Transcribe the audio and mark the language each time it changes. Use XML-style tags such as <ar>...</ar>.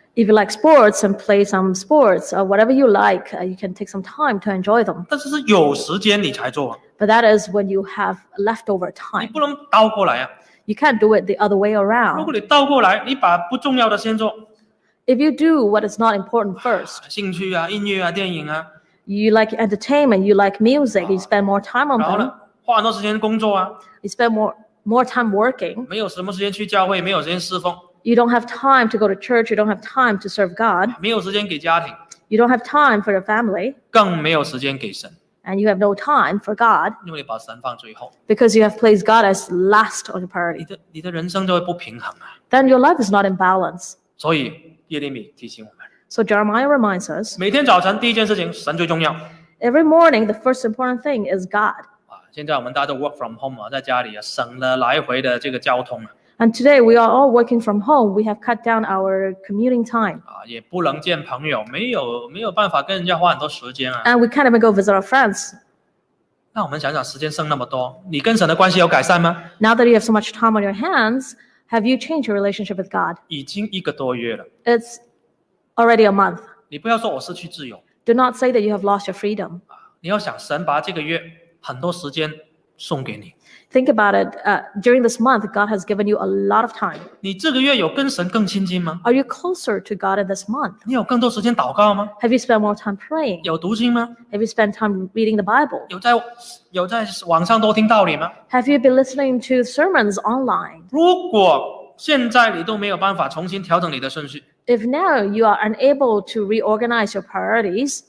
<en>If you like sports and play some sports or whatever you like, you can take some time to enjoy them.</en> <zh>但是有时间你才做。</zh> <en>But that is when you have leftover time.</en> <zh>你不能倒过来啊。</zh> <en>You can't do it the other way around.</en> <zh>如果你倒过来，你把不重要的先做。</zh> <en>If you do what is not important first.</en> <zh>兴趣啊，音乐啊，电影啊。</zh> <en>You like entertainment, you like music, you spend more time on them.</en> <zh>花很多时间工作啊,</zh> <en>you spend more time working.</en> <zh>没有什么时间去教会,</zh> <en>you don't have time to go to church. You don't have time to serve God.</en> <zh>没有时间给家庭,</zh> <en>you don't have time for your family.</en> <zh>更没有时间给神,</zh> <en>and you have no time for God.</en> <zh>因为你把神放最后,</zh> <en>because you have placed God as last on your priority.</en> <zh>你的人生就会不平衡啊,</zh> <en>then your life is not in balance.</en> <zh>所以耶利米提醒我们,</zh> <en>so Jeremiah reminds us,</en> <zh>每天早晨,</zh> <en>every morning, the first important thing is God.</en> <zh>现在我们大家都</zh> <en>work from home</en> <zh>在家里省了来回的这个交通。</zh> <en>And today we are all working from home. We have cut down our commuting time.</en> <zh>也不能见朋友，没有办法跟人家花很多时间啊。</zh> <en>And we can't even go visit our friends.</en> <zh>那我们想想，时间剩那么多，你跟神的关系有改善吗？</zh> <en>Now that you have so much time on your hands, have you changed your relationship with God?</en> <zh>已经一个多月了。</zh> <en>It's already a month.</en> <zh>你不要说我失去自由。</zh> <en>Do not say that you have lost your freedom.</en> <zh>你要想神把这个月 很多时间送给你。</zh> <en>Think about it. During this month, God has given you a lot of time.</en> <zh>你这个月有跟神更亲近吗？</zh> <en>Are you closer to God in this month?</en> <zh>你有更多时间祷告吗？</zh> <en>Have you spent more time praying?</en> <zh>有读经吗？</zh> <en>Have you spent time reading the Bible?</en> <zh>有在网上多听道理吗？</zh> <en>Have you been listening to sermons online?</en> <zh>如果现在你都没有办法重新调整你的顺序，</zh> <en>if now you are unable to reorganize your priorities,</en>